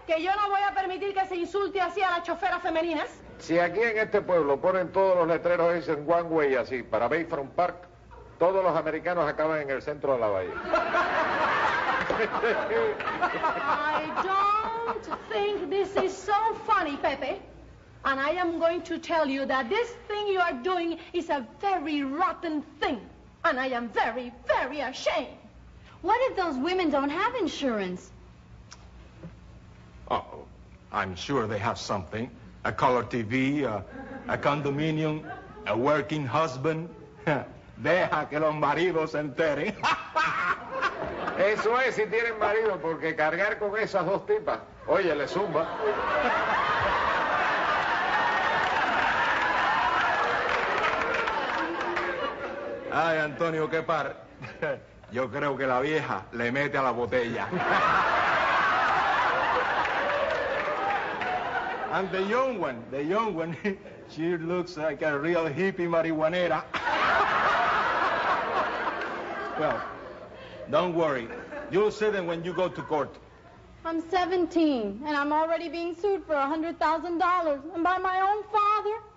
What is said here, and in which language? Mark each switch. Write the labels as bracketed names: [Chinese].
[Spanish] Que yo no voy a permitir que se insulte así a las choferas femeninas. Si aquí en este pueblo ponen todos los letreros ese en one way así, para Bayfront Park, todos los americanos acaban en el centro de la bahía. [English] I don't think this is so funny, Pepe. And I am going to tell you that this thing you are doing is a very rotten thing. And I am very, very ashamed. What if those women don't have insurance? Oh, I'm sure they have something. A color TV, a condominium, a working husband. [Spanish] Deja que los maridos se enteren. Eso es, si tienen marido, porque cargar con esas dos tipas, oye, le zumba. Ay, Antonio, qué par. Yo creo que la vieja le mete a la botella. [English] And the young one, she looks like a real hippie marihuanera. Well, don't worry. You'll see them when you go to court. I'm 17, and I'm already being sued for $100,000, and by my own father.